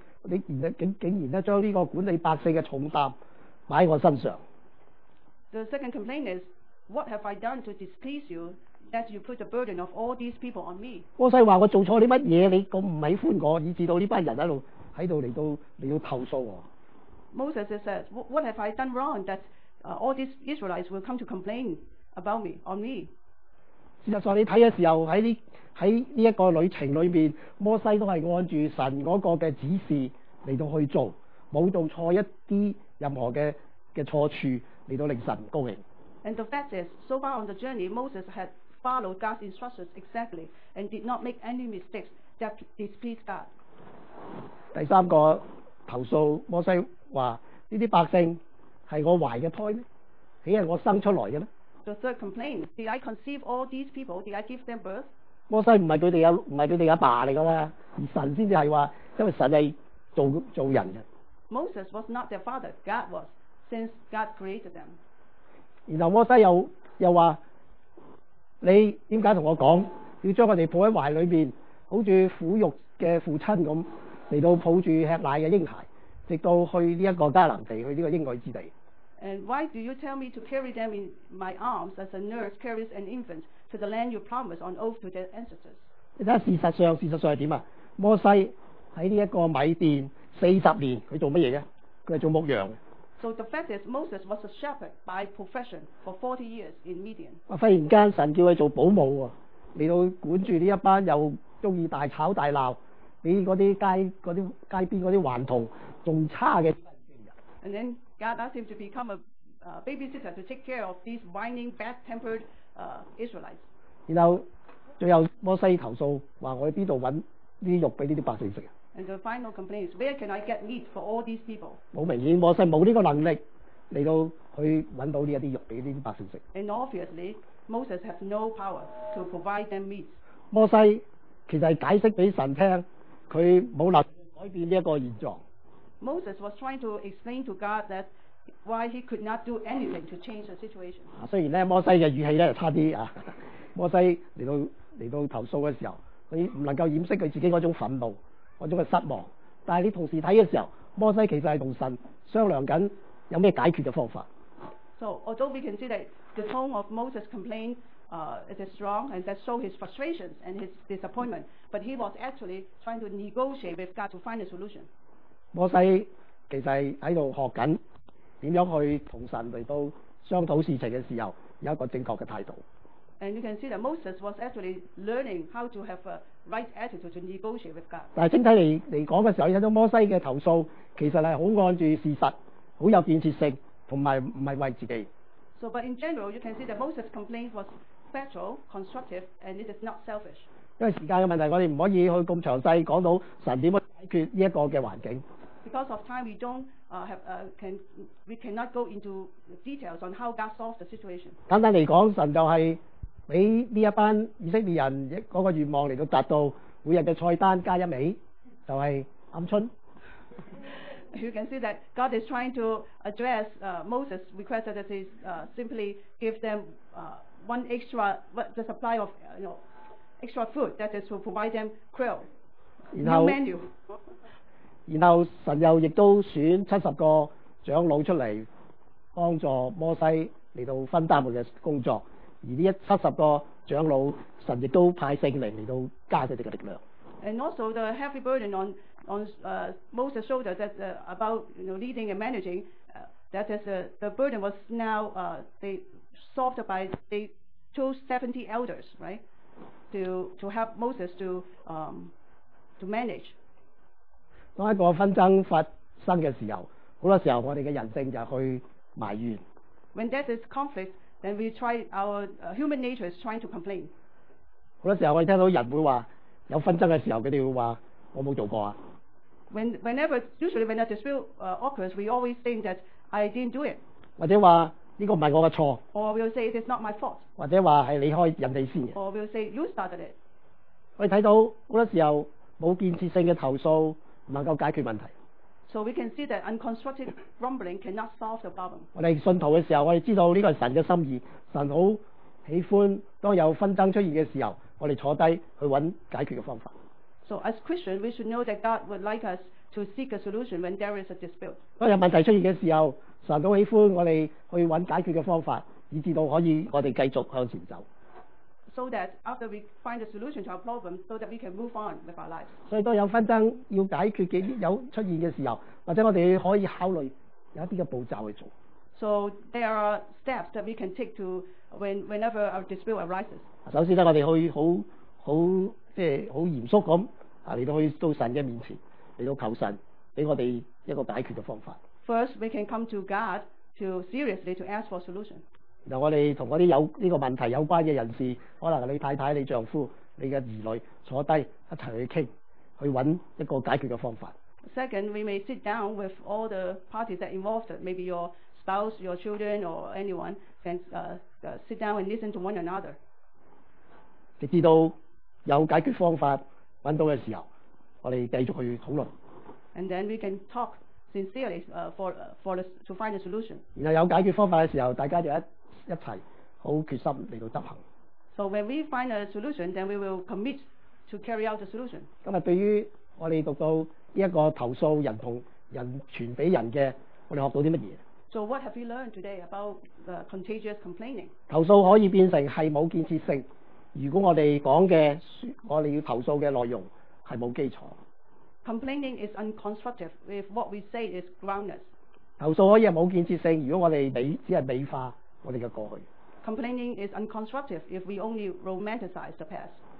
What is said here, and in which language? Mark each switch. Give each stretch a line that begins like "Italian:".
Cantonese: 你竟然咧將呢個管理百姓嘅重擔擺我身上。
English: The second complaint is, what have I done to displease you? That you put the burden of all these people on me.
Cantonese: 摩西話：我做錯啲乜嘢？你咁唔喜歡我，以致到呢班人喺度嚟到投訴我。
English: Moses says, "What have I done wrong that all these Israelites will come to complain about me on me?"
Cantonese: 事實上，你睇嘅時候喺呢一個旅程裏面，摩西都係按住神嗰個嘅指示嚟到去做，冇做錯一啲任何嘅錯處嚟到令神高興。
English: And the fact is, so far on the journey, Moses had followed God's instructions exactly and did not make any mistakes that displeased God.
Cantonese: 第三個投訴，摩西話：呢啲百姓係我懷嘅胎咧，豈係我生出來嘅咧
English: ？The third complaint: Did I conceive all these people? Did I give them birth?
Cantonese: 摩西唔係佢哋阿爸嚟噶啦，而神先至係話，因為神係做人嘅。
English: Moses was not their father; God was, since God created them.
Cantonese: 然後摩西又話。你點解同我講要將我哋抱喺懷裏面，好似苦肉嘅父親咁嚟到抱住吃奶嘅嬰孩，直到去呢一個迦南地，去呢個應許之地。
English: And why do you tell me to carry them in my arms as a nurse carries an infant to the land you promised on oath to their ancestors？
Cantonese: 你睇事實上係點啊？摩西喺呢一個米甸40年，佢做乜嘢啫？佢係做牧羊。
English: So the fact is, Moses was a shepherd by profession for 40 years in Midian.
Cantonese: 忽然間神叫他做保姆啊，嚟到管住呢一班又中意大吵大鬧，比嗰啲街邊嗰啲頑童仲差嘅。
English: And then God asked him to become a babysitter to take care of these whining, bad-tempered Israelites.
Cantonese: 然後最後摩西投訴話：我喺邊度揾啲肉俾呢啲百姓食啊？
English: And the final complaint is, where can I get meat for all these people?
Cantonese: 好明顯，摩西冇呢個能力嚟到去揾到呢一啲肉俾呢啲百姓食。
English: And obviously, Moses has no power to provide them meat.
Cantonese: 摩西其實係解釋俾神聽，佢冇能力改變呢一個現狀。
English: Moses was trying to explain to God that why he could not do anything to change the situation.
Cantonese: 雖然咧，摩西嘅語氣咧差啲啊，摩西嚟到投訴嘅時候，佢唔能夠掩飾佢自己嗰種憤怒。我仲係失望，但係你同時睇嘅時候，摩西其實係同神商量緊有咩解決嘅方法。
English: So although we can see that the tone of Moses' complaint it is strong, and that shows his frustrations and his disappointment, but he was actually trying to negotiate with God to find a solution. Moses actually is learning how to talk to God when he has a correct attitude. And you can see that Moses was actually learning how to have a right attitude to negotiate with God.
Cantonese: 但整體來說的時候，看到摩西的投訴其實是很按住事實，很有建設性，而不是為自己。
English: So, but in general, you can see that Moses' complaint was factual, constructive, and it is not selfish.
Cantonese: 因為時間的問題，我們不可以去咁詳細講到神怎樣解決這個環境。
English: Because of time, we cannot go into details on how God solved the situation.
Cantonese: 簡單來說，神就是俾呢一班以色列人嗰個願望嚟到達到每日嘅菜單加一味，就係鵪鶉。
English: You can see that God is trying to address Moses' request that he simply give them one extra the supply of extra food that is to provide them quail. New menu.
Cantonese: 然後神又亦都選七十個長老出嚟幫助摩西嚟到分擔佢嘅工作。而呢一七十個長老，神亦都派聖靈嚟到加佢哋嘅力量。
English: And also the heavy burden on Moses' shoulder that about leading and managing that is the burden was now they solved by they chose 70 elders right to help Moses to manage.
Cantonese: 當一個紛爭發生嘅時候，好多時候我哋嘅人性就去埋怨。
English: When there is conflict. Then we try our human nature is trying to complain.
Cantonese: 好多時候我哋聽到人會話有紛爭嘅時候，佢哋會話我冇做過啊。
English: Whenever a dispute occurs, we always think that I didn't do it.
Cantonese: 或者話呢個唔係我嘅錯。
English: Or we'll say it is not my fault.
Cantonese: 或者話係你開人哋先。
English: Or we'll say you started it.
Cantonese: 我哋睇到好多時候冇建設性嘅投訴唔能夠解決問題。
English: So we can see that unconstructive grumbling cannot solve the problem.
Cantonese: 我哋信徒嘅時候，我哋知道呢個係神嘅心意。神好喜歡當有紛爭出現嘅時候，我哋坐低去揾解決嘅方法。
English: So as Christian, we should know that God would like us to seek a solution when there is a dispute.
Cantonese: 當有問題出現嘅時候，神好喜歡我哋去揾解決嘅方法，以至到可以我哋繼續向前走。
English: So that after we find a solution to our problem, so that we can move on with our lives.
Cantonese: 所以當有紛爭要解決嘅有出現嘅時候，或者我哋可以考慮有一啲嘅步驟去做。
English: So there are steps that we can take to whenever a dispute arises.
Cantonese: 首先咧，我哋去好即係好嚴肅咁啊嚟到去到神嘅面前嚟到求神俾我哋一個解決嘅方法。
English: First, we can come to God to seriously to ask for a solution.
Cantonese: 然後我哋同嗰啲有呢個問題有關嘅人士，可能你太太、你丈夫、你嘅兒女坐低一齊去傾，去揾一個解決嘅方法。
English: Second, we may sit down with all the parties that involved, maybe your spouse, your children, or anyone, and sit down and listen to one another.
Cantonese: 直至到有解決方法揾到嘅時候，我哋繼續去討論。
English: And then we can talk sincerely to find a solution.
Cantonese: 然後有解決方法嘅時候，大家就一齊好決心嚟到執行。
English: So when we find a solution, then we will commit to carry out the solution.
Cantonese: 今日對於我哋讀到呢一個投訴人同人傳俾人嘅，我哋學到啲乜嘢
English: ？So what have we learned today about the contagious complaining?
Cantonese: 投訴可以變成係冇建設性。如果我哋講嘅，我哋要投訴嘅內容係冇基礎。
English: Complaining is unconstructive if what we say is groundless.
Cantonese: 投訴可以係冇建設性，如果我哋只係美化。我哋嘅過去。
English: Complaining is unconstructive if we only romanticize the past.